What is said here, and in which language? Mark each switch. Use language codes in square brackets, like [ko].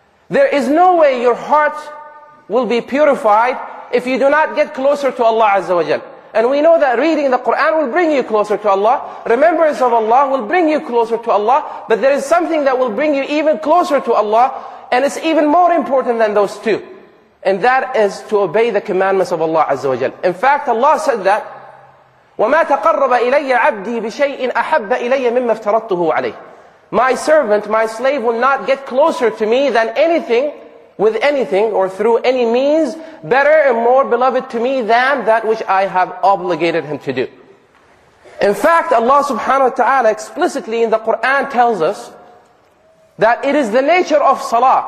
[en] There is no way your heart will be purified if you do not get closer to Allah Azza wa Jal. And we know that reading the Quran will bring you closer to Allah. Remembrance of Allah will bring you closer to Allah. But there is something that will bring you even closer to Allah. And it's even more important than those two. And that is to obey the commandments of Allah Azza wa Jal. In fact, Allah said that, [ar] وَمَا تَقَرَّبَ إِلَيَّ عَبْدِي بِشَيْءٍ أَحَبَّ إِلَيَّ مِمَّ افْتَرَضْتُهُ عَلَيْهِ. [en] My servant, my slave will not get closer to me than anything, with anything or through any means, better and more beloved to me than that which I have obligated him to do. In fact, Allah subhanahu wa ta'ala explicitly in the Quran tells us that it is the nature of salah.